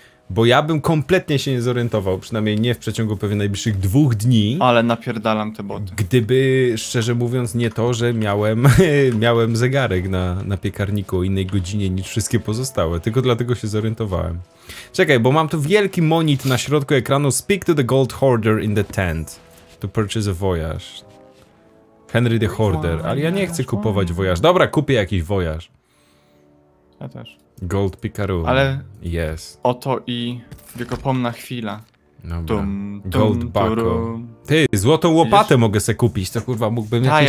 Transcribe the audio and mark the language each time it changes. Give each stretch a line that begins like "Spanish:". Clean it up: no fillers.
Polish: Bo ja bym kompletnie się nie zorientował, przynajmniej nie w przeciągu pewnie najbliższych 2 dni. Ale napierdalam te boty. Gdyby, szczerze mówiąc, nie to, że miałem zegarek na piekarniku o innej godzinie niż wszystkie pozostałe. Tylko dlatego się zorientowałem. Czekaj, bo mam tu wielki monit na środku ekranu.
English: Speak to the gold hoarder in the tent to purchase a voyage. Henry the Hoarder.
Polish: Ale ja nie chcę kupować voyage. Dobra, kupię jakiś voyage. Ja też.
English: Gold Picaro.
Polish: Ale
English: yes.
Polish: Oto i wiekopomna chwila. Dobra. Gold Bako. Ty, złotą łopatę jeszcze... mogę sobie kupić, to kurwa mógłbym jakiś